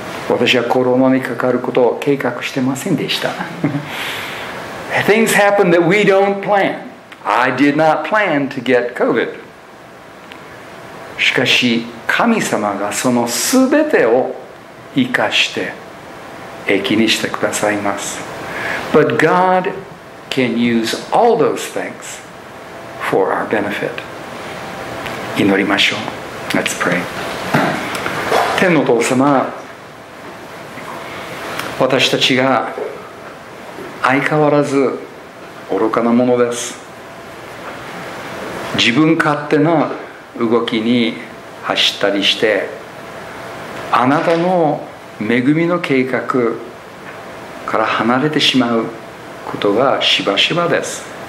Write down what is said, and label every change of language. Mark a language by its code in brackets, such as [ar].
[ja] 私はコロナにかかることを計画してませんでした。 [en] Things happen that we don't plan. I did not plan to get COVID. [ja] しかし神様がそのすべてを生かして益にしてくださいます。 [en] But God can use all those things for our benefit. [ja] 祈りましょう。 [en] Let's pray. [ja] 天のお父様、私たちが相変わらず愚かなものです。自分勝手な動きに走ったりして、あなたの恵みの計画から離れてしまうことがしばしばです。